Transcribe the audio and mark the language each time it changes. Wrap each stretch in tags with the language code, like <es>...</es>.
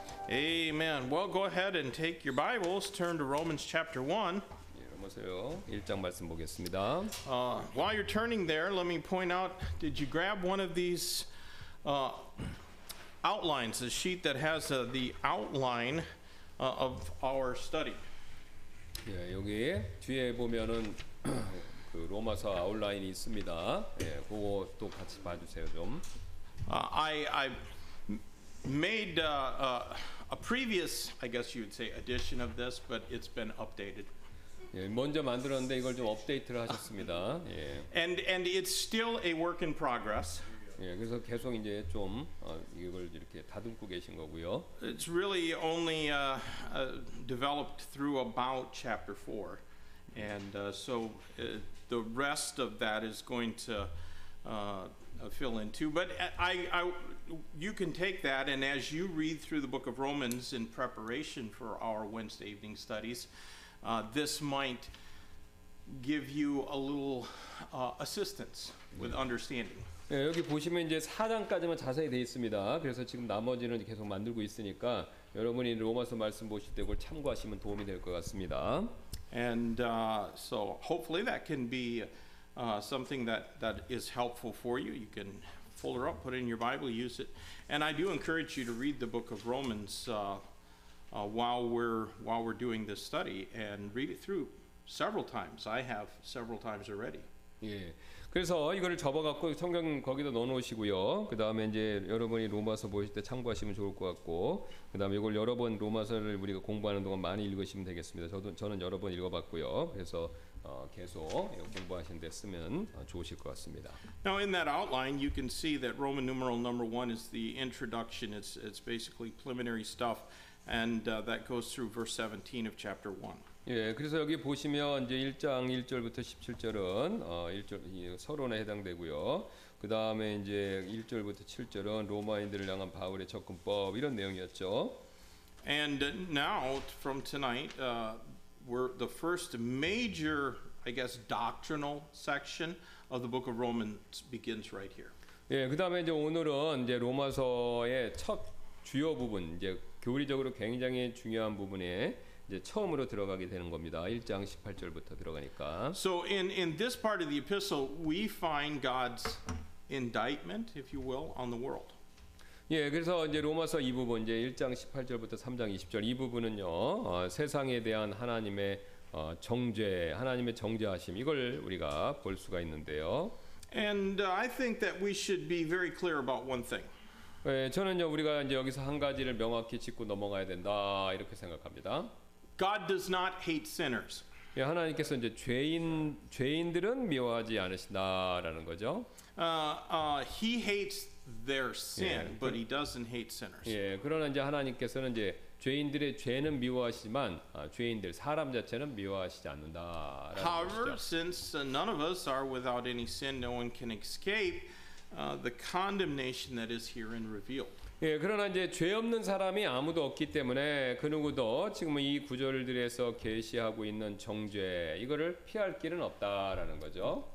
<en>and take your Bibles, turn to Romans chapter 1.</en> <ko>여보세요. 1장 말씀 보겠습니다.</ko> <en>While you're turning there, let me point out, did you grab one of these outlines, the sheet that has the outline of our study?</en> <ko>예, 여기 뒤에 보면은 그 로마서 아웃라인이 있습니다. 예, 그거 또 같이 봐 주세요, 좀.</ko> <en>I made a previous, I guess you would say, edition of this, but it's been updated.</en> <ko>예, 먼저 만들었는데 이걸 좀 업데이트를 하셨습니다. 예.</ko> <en>And it's still a work in progress.</en> <ko>예, 그래서 계속 이제 좀 이걸 이렇게 다듬고 계신 거고요.</ko> <en>It's really only developed through about chapter 4. And so the rest of that is going to fill in too. But I you can take that, and as you read through the book of Romans in preparation for our Wednesday evening studies, this might give you a little assistance with understanding.</en> <ko>예, 여기 보시면 이제 4장까지만 자세히 돼 있습니다. 그래서 지금 나머지는 계속 만들고 있으니까 여러분이 로마서 말씀 보실 때 그걸 참고하시면 도움이 될 것 같습니다.</ko> <en>And so hopefully that can be something that is helpful for you. You can fold it up, put it in your Bible, use it. And I do encourage you to read the book of Romans while we're doing this study, and read it through several times. I have several times already.</en> <ko>예. 그래서 이거를 접어갖고 성경 거기다 넣어놓으시고요. 그 다음에 이제 여러분이 로마서 보실 때 참고하시면 좋을 것 같고, 그 다음에 이걸 여러 번 로마서를 우리가 공부하는 동안 많이 읽으시면 되겠습니다. 저는 여러 번 읽어봤고요. 그래서 계속 공부하시는 데 쓰면 좋으실 것 같습니다.</ko> <en>Now in that outline, you can see that Roman numeral number one is the introduction. It's basically preliminary stuff, and that goes through verse 17 of chapter 1.</en> <ko>예, 그래서 여기 보시면 이제 1장 1절부터 17절은 1절 서론에 해당되고요. 그 다음에 이제 1절부터 7절은 로마인들을 향한 바울의 접근법 이런 내용이었죠.</ko> <en>And now from tonight, we're the first major, I guess, doctrinal section of the book of Romans begins right here.</en> <ko>예, 그 다음에 이제 오늘은 이제 로마서의 첫 주요 부분, 이제 교리적으로 굉장히 중요한 부분에 이제 처음으로 들어가게 되는 겁니다. 1장 18절부터 들어가니까.</ko> <en>So in this part of the epistle, we find God's indictment, if you will, on the world.</en> <ko>예, 그래서 이제 로마서 이 부분, 이제 1장 18절부터 3장 20절 이 부분은요, 세상에 대한 하나님의 정죄, 하나님의 정죄하심 이걸 우리가 볼 수가 있는데요.</ko> <en>And I think that we should be very clear about one thing.</en> <ko>예, 저는요 우리가 이제 여기서 한 가지를 명확히 짚고 넘어가야 된다 이렇게 생각합니다.</ko> <en>God does not hate sinners.</en> <ko>예, 하나님께서 이제 죄인들은 미워하지 않으신다라는 거죠.</ko> <en>He hates their sin, 예, but he doesn't hate sinners.</en> <ko>예, 그러나 이제 하나님께서는 이제 죄인들의 죄는 미워하시지만 죄인들 사람 자체는 미워하시지 않는다.</ko> <en>However, since none of us are without any sin, no one can escape the condemnation that is herein revealed.</en> <ko>예, 그러나 이제 죄 없는 사람이 아무도 없기 때문에 그 누구도 지금 이 구절들에서 계시하고 있는 정죄 이거를 피할 길은 없다라는 거죠.</ko>